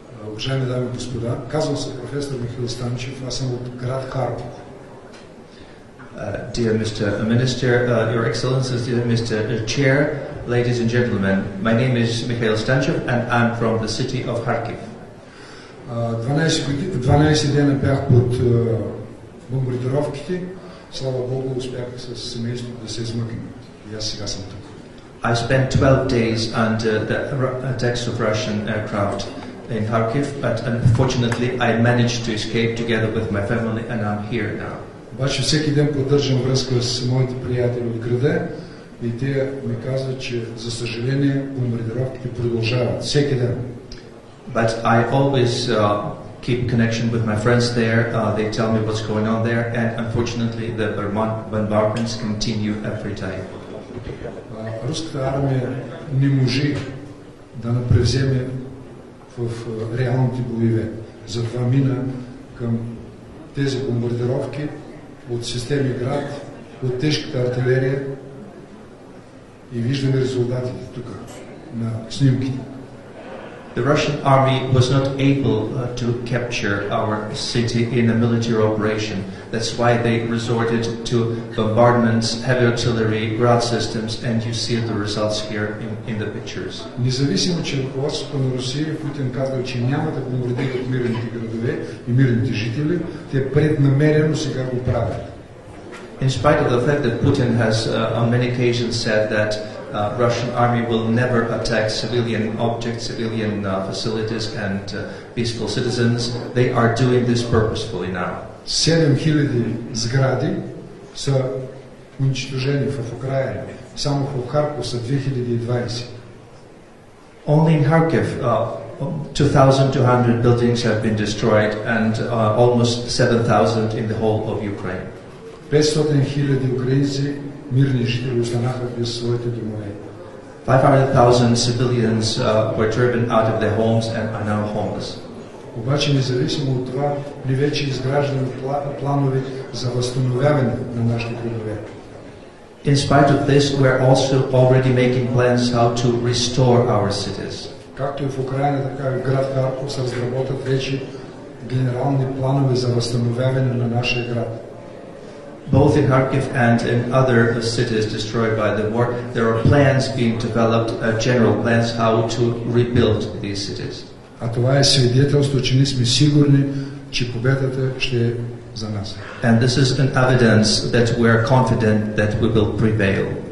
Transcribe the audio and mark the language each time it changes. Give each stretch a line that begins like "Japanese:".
Bulgarian: уважаеми дами и господа, казвам се професор Михаил Станчев, аз съм от град Харков.
English: Dear Mr. Minister, Your Excellencies, dear Mr. Chair, ladies and gentlemen, my name is Mikhail Stanchev and I'm from the city of Kharkiv.
Bulgarian: 12 дена бях под бомбардировките. Слава Богу, успях с семейството да се измъкна. И аз сега съм тук.
English: I spent 12 days under the attacks of Russian aircraft in Kharkiv, but unfortunately I managed to escape together with my family and I'm here now.
Bulgarian: Обаче всеки ден поддържам връзка с моите приятели от града и те ми казват, че за съжаление бомбардировките продължават всеки ден.
English: But I always keep connection with my friends there. They tell me what's going on there and unfortunately the bombardments continue every day.
Bulgarian: Руската армия не може да превземе в реалните боеве. Затова мина към тези бомбардировки от системи град, от тежката артилерия и виждаме резултатите тук на снимките.
English: The Russian army was not able to capture our city in a military operation. That's why they resorted to bombardments, heavy artillery, ground systems, and you see the results here in the pictures.
Bulgarian: Независимо, че руководството на Русия, Путин казва, че няма да бомбардират мирните градове и мирните жители, те преднамерено сега го правят.
English: In spite of the fact that Putin has on many occasions said that Russian army will never attack civilian objects, civilian facilities and peaceful citizens, they are doing this purposefully now.
Bulgarian: 7000 сгради са уничтожени в Украине. Само в Харков са 2020.
English: Only in Kharkiv 2200 buildings have been destroyed and almost 7000 in the whole of Ukraine.
Bulgarian: 500,000 украинци мирни жители останаха без своите домове.
English: 500,000 civilians were driven out of their homes and are now homeless.
Bulgarian: Обаче независимо от това, ни вече изграждаме планове за възстановяване на нашите градове.
English: In spite of this, we are also already making plans how to restore our cities.
Bulgarian: Както и в Украина, така и в град Харков се разработват вече генерални планове за възстановяване на нашия град.
English: Both in Kharkiv and in other cities destroyed by the war, there are plans being developed, general plans how to rebuild these cities.
Bulgarian: А това е свидетелство, че ние сме сигурни, че победата ще е за нас.
English: And this is an evidence that we are confident that we will prevail.